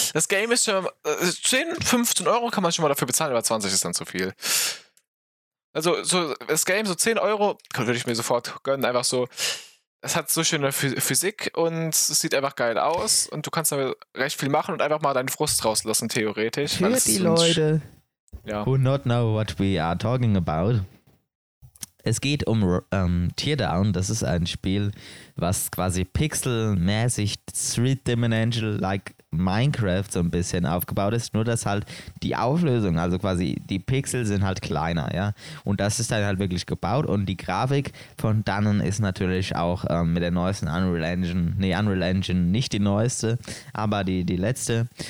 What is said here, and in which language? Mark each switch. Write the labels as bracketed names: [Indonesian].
[German] Das Game ist schon 10, 15 Euro kann man schon mal dafür bezahlen, aber 20 ist dann zu viel. Also so das Game, so 10 Euro, würde ich mir sofort gönnen, einfach so. Es hat so schöne Physik und es sieht einfach geil aus und du kannst damit recht viel machen und einfach mal deinen Frust rauslassen, theoretisch. Für die Leute, [English] who not know what we are talking about. [German] Es geht um Teardown, das ist ein Spiel, was quasi pixelmäßig [English] Three Dimensional like Minecraft [German] so ein bisschen aufgebaut ist, nur dass halt die Auflösung, also quasi die Pixel sind halt kleiner, ja. Und das ist dann halt wirklich gebaut und die Grafik von dannen ist natürlich auch mit der neuesten Unreal Engine nicht die neueste, aber die letzte.